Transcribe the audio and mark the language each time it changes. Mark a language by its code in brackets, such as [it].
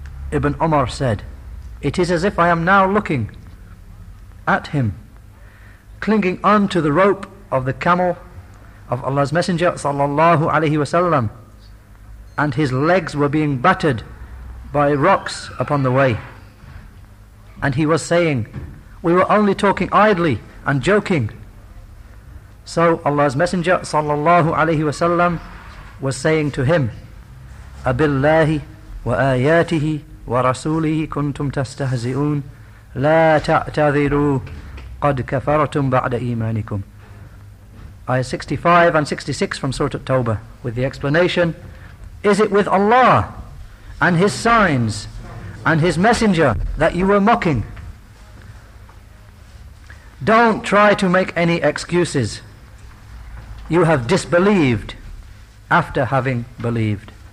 [en] Ibn Umar said, it is as if I am now looking at him, clinging on to the rope of the camel of Allah's Messenger sallallahu alayhi wasallam, and his legs were being battered by rocks upon the way. And he was saying, we were only talking idly and joking. So Allah's Messenger sallallahu alayhi wasallam was saying to him, [ar] أَبِاللَّهِ وَآيَاتِهِ وَرَسُولِهِ كُنْتُمْ تَسْتَهْزِئُونَ لَا تَعْتَذِرُوا قَدْ كَفَرْتُمْ بَعْدَ إِيمَانِكُمْ. [en] Ayah 65 and 66 from Surah At-Tawbah, with the explanation: is it with Allah and His signs and His messenger that you were mocking? Don't try to make any excuses. You have disbelieved after having believed.